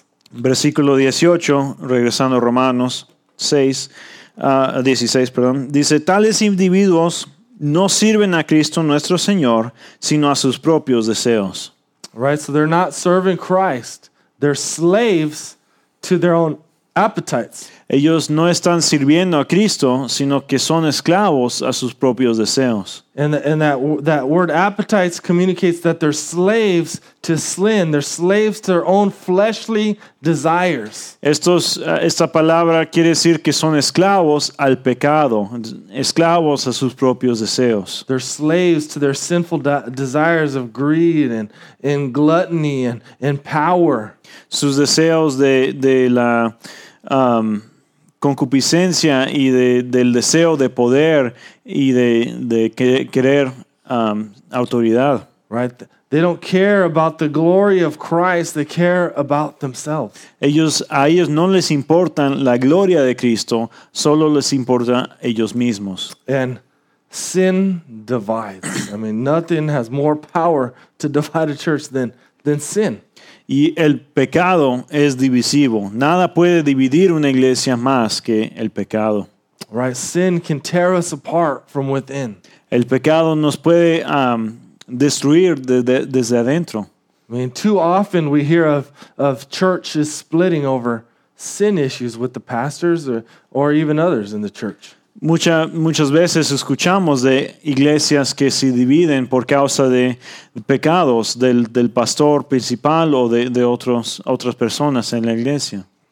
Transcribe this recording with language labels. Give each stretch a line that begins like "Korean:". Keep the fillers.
Spanish: Versículo 18, regresando a Romanos 6, uh, 16, perdón, dice, tales individuos no sirven a Cristo nuestro Señor, sino a sus propios deseos.
English: Right, so they're not serving Christ. They're slaves to their own appetites.
Spanish: Ellos no están sirviendo a Cristo, sino que son esclavos a sus propios deseos.
English: And, the, and that, that word appetites communicates that they're slaves to sin. They're slaves to their own fleshly desires. Estos, esta palabra quiere decir que son esclavos al pecado, esclavos a sus propios deseos. They're slaves to their sinful desires of greed and, and gluttony and, and
Spanish: power. Sus deseos de, de la... Um, concupiscencia y de, del deseo de poder y de, de que, querer um, autoridad.
English: Right. They don't care about the glory of Christ. They care about themselves.
Spanish: Ellos, a ellos no les importa la not de Cristo. Solo les importa ellos mismos.
English: And sin divides. I mean, nothing has more power to divide a church than, than sin y Right, sin can tear us apart from within.
Spanish: El pecado nos puede um, destruir de, de, desde adentro.
English: I mean, too often we hear of of churches splitting over sin issues with the pastors or or even others in the church.
Spanish: Mucha, muchas veces escuchamos de iglesias que se dividen por causa de pecados del, del pastor principal o de, de otros, otras personas en la iglesia.